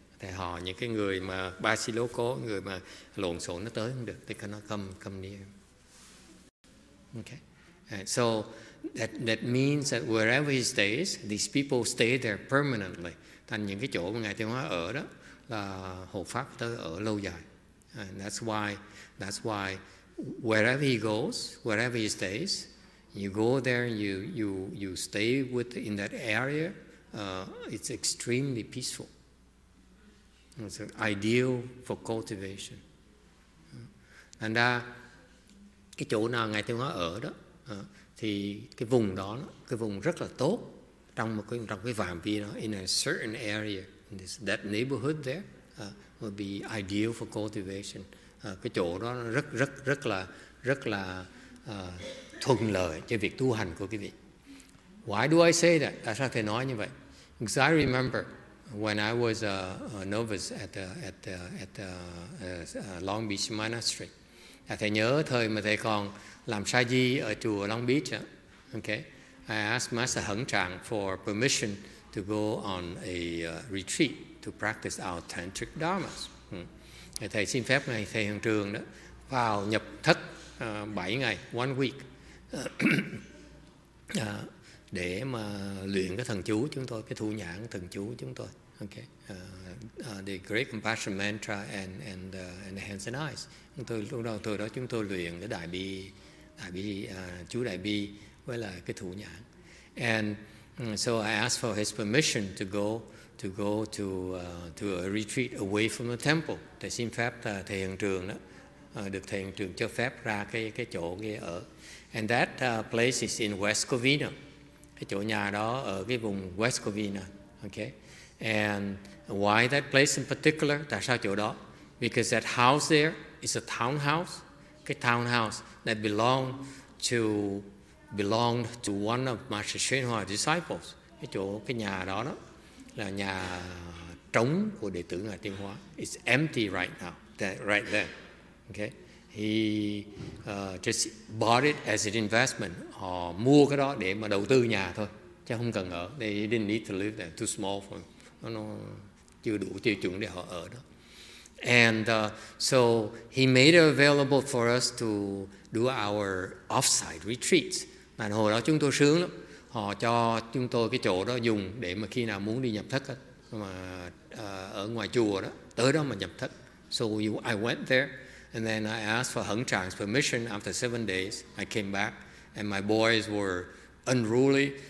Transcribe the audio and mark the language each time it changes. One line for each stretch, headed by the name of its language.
Vietnamese: Thì họ những cái người mà ba si lô cố, người mà lộn xộn nó tới không được, thì nó
English: come near. Okay. And so that means that wherever he stays, these people stay there permanently.
Vietnamese: Thành những cái chỗ mà ngài Tiên Hóa ở đó là hộ pháp tới ở lâu dài.
English: And that's why wherever he goes, wherever he stays, you go there and you stay with in that area, it's extremely peaceful. It's an ideal for cultivation.
Vietnamese: Thành ra cái chỗ nào ngài Tiên Hóa ở đó, thì cái vùng đó, cái vùng rất là tốt trong cái phạm vi đó.
English: In a certain area, in this, that neighborhood there will be ideal for cultivation.
Vietnamese: Cái chỗ đó nó rất là thuận lợi cho việc tu hành của quý vị.
English: Why do I say that?
Vietnamese: Tại sao thầy nói như vậy?
English: Because I remember when I was a novice at Long Beach Monastery,
Vietnamese: thầy nhớ thời mà thầy còn làm sa di ở chùa Long Beach.
English: Okay, I asked Master Hẳn Trạng for permission to go on a retreat to practice our tantric dharmas.
Vietnamese: Thầy xin phép ngài thầy Hằng Trường đó vào nhập thất 7 ngày,
English: 1 week,
Vietnamese: để mà luyện cái thần chú chúng tôi, cái thu nhãn thần chú chúng tôi.
English: Okay. The Great Compassion Mantra and the Hands and Eyes.
Vietnamese: Tôi lúc đầu thời đó chúng tôi luyện cái đại bi chú đại bi với là cái thủ nhãn.
English: And so I asked for his permission to go to a retreat away from the temple.
Vietnamese: Thầy xin phép thầy hiện trường đó, được thầy hiện trường cho phép ra cái chỗ kia ở.
English: And that place is in West Covina.
Vietnamese: Cái chỗ nhà đó ở cái vùng West Covina.
English: Okay. And why that place in particular?
Vietnamese: Tại sao chỗ đó?
English: Because that house there is a townhouse. Cái townhouse that belonged to one of Master Srinivasa's disciples.
Vietnamese: Cái chỗ cái nhà đó đó là nhà trống của đệ tử ngài Tiên Hóa.
English: It's empty right now. That right there. Okay. He just bought it as an investment.
Vietnamese: Họ mua cái đó để mà đầu tư nhà thôi, chứ không cần ở.
English: They didn't need to live there. Too small for them.
Vietnamese: Nó chưa đủ tiêu chuẩn để họ ở đó.
English: And so he made it available for us to do our offsite retreats.
Vietnamese: Mà hồi đó chúng tôi sướng lắm. Họ cho chúng tôi cái chỗ đó dùng để mà khi nào muốn đi nhập thất mà ở ngoài chùa đó, tới đó mà nhập thất.
English: So I went there. And then I asked for Hung Trang's permission. After 7 days, I came back, and my boys were unruly.